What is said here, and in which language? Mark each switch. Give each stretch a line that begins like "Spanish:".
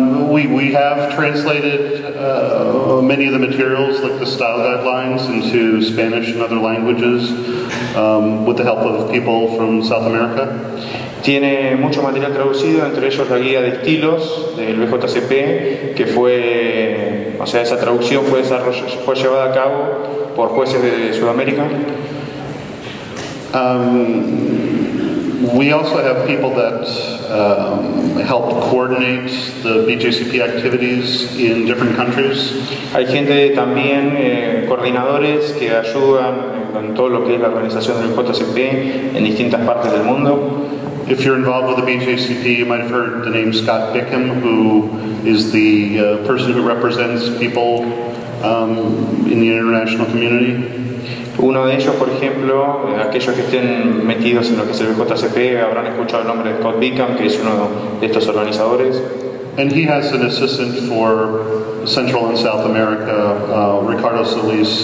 English: We have translated many of the materials, like the style guidelines, into Spanish and other languages with the help of people from South America.
Spanish: Tiene mucho material traducido, entre ellos la guía de estilos del BJCP, que fue, o sea, esa traducción fue llevada a cabo por jueces de Sudamérica.
English: We also have people that help coordinate the BJCP activities in different countries.
Spanish: Hay gente también, coordinadores, que ayudan con todo lo que es la organización del BJCP en distintas partes del mundo.
English: If you're involved with the BJCP, you might have heard the name Scott Bickham, who is the person who represents people in the international community.
Spanish: Uno de ellos, por ejemplo, aquellos que estén metidos en lo que es el BJCP, habrán escuchado el nombre de Scott Bickham, que es uno de estos organizadores.
English: And he has an assistant for Central and South America, Ricardo Solís.